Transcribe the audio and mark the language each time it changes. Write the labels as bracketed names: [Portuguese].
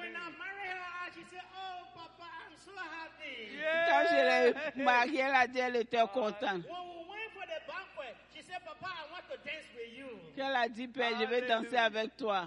[English] When I marry her, she said, oh, papa, I'm so happy. Yeah. [French] Quand je l'ai mariée, elle a dit, elle était contente. [English] When we went for the banquet, she said, papa, I want to dance with you. [French] Qu'elle a dit, père, je vais danser avec toi.